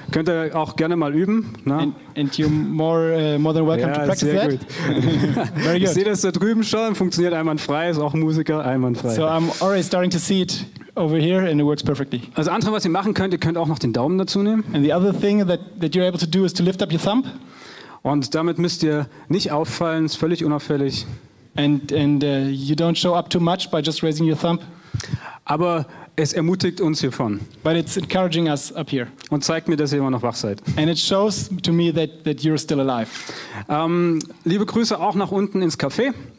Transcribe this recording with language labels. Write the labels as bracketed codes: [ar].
[de] Könnt ihr auch gerne mal üben, ne? [en] And you're more than welcome to practice that. [de] gut. [en] Very good. [de] Ich sehe das da drüben schon, funktioniert einwandfrei, ist auch Musiker, einwandfrei. [en] So I'm already starting to see it over here and it works perfectly. [de] Also andere, was ihr machen könnt, ihr könnt auch noch den Daumen dazu nehmen. [en] And the other thing that you're able to do is to lift up your thumb. [de] Und damit müsst ihr nicht auffallen, ist völlig unauffällig. [en] And you don't show up too much by just raising your thumb. [de] Aber es ermutigt uns hiervon. [en] But it's encouraging us up here. [de] Und zeigt mir, dass ihr immer noch wach seid. [en] And it shows to me that you're still alive. [de] Liebe Grüße auch nach unten ins Café.